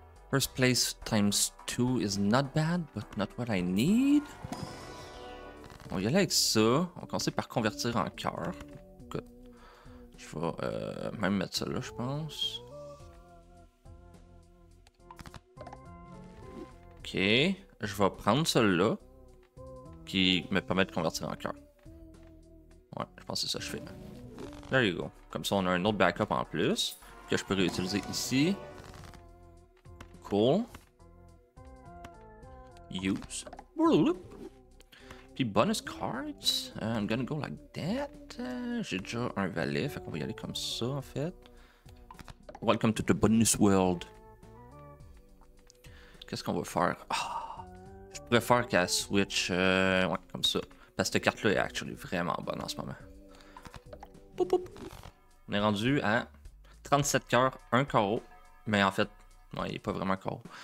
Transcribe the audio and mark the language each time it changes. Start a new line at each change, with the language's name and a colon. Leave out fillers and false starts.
English: First place times 2 is not bad, but not what I need.
French: On va y aller avec ça. On va commencer par convertir en cœur.
English: Good.
French: Je vais même mettre ça là, je pense. Ok, je vais prendre celle-là qui me permet de convertir en cœur. Ouais, je pense que c'est ça que je fais.
English: There you go.
French: Comme ça, on a un autre backup en plus que je peux réutiliser ici. Cool. Use. Puis bonus cards.
English: I'm gonna go like that.
French: J'ai déjà un valet, fait qu'on va y aller comme ça en fait.
English: Welcome to the bonus world.
French: Qu'est-ce qu'on va faire? Oh, je préfère qu'elle switch ouais, comme ça. Parce que cette carte-là est actually vraiment bonne en ce moment. Boop, boop. On est rendu à 37 cœurs, 1 carreau. Mais en fait, ouais, il n'est pas vraiment carreau.